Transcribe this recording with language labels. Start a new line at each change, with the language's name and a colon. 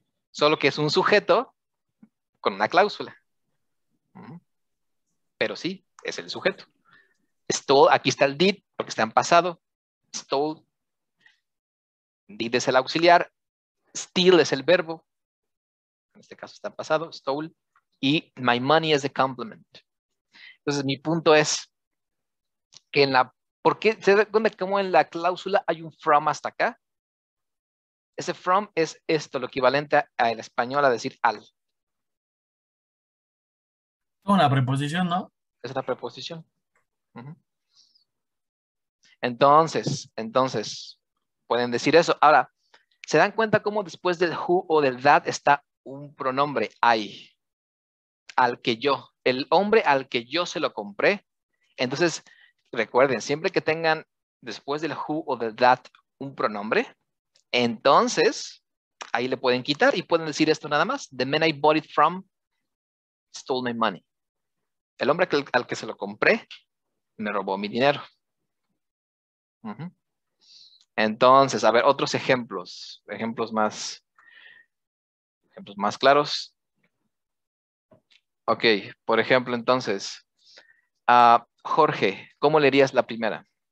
Spanish: Solo que es un sujeto con una cláusula. Pero sí, es el sujeto. Stole, aquí está el did, porque está en pasado. Stole. Did es el auxiliar. Steal es el verbo. En este caso está en pasado, stole.
English: Y my money is the complement.
Spanish: Entonces, mi punto es que en la... ¿Por qué? ¿Se da cuenta cómo en la cláusula hay un from hasta acá? Ese from es esto, lo equivalente a el español a decir al. Una preposición, ¿no? Es una preposición. Uh-huh. Entonces, pueden decir eso. Ahora, ¿se dan cuenta cómo después del who o del that está un pronombre I? Al que yo, el hombre al que yo se lo compré. Entonces, recuerden, siempre que tengan después del who o del that un pronombre, entonces ahí le pueden quitar y pueden decir esto nada más.
English: The man I bought it from stole my money.
Spanish: El hombre al que se lo compré me robó mi dinero. Entonces, a ver, otros ejemplos. Ejemplos más claros. Ok, por ejemplo, entonces, Jorge, ¿cómo leerías la primera?